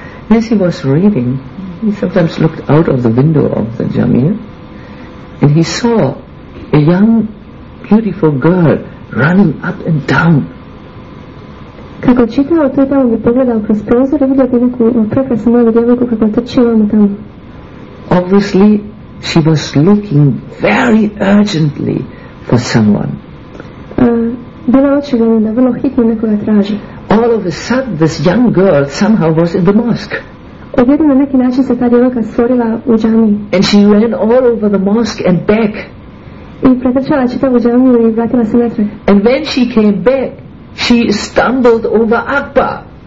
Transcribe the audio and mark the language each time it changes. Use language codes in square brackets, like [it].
[en] As he was reading, he sometimes looked out of the window of the jamia and he saw a young beautiful girl running up and down. [hr] Kako čitao, to je tamo bi pogledao kroz prozor i vidio bi neku prekrasnu novu djevojku kako trči ovamo tamo. [en] obviously she was looking very urgently for someone. [hr] Bilo očigledno da vrlo hitno nekoga traži. [en] All of a sudden this young girl somehow was in the mosque. [hr] Odjednom na neki način se ta djevojka stvorila u džamiji. [en] And she ran all over the mosque and back. [hr] I pretrčala čitavu džamiju i vratila se natrag. [en] And when she came back, she stumbled over Akbar.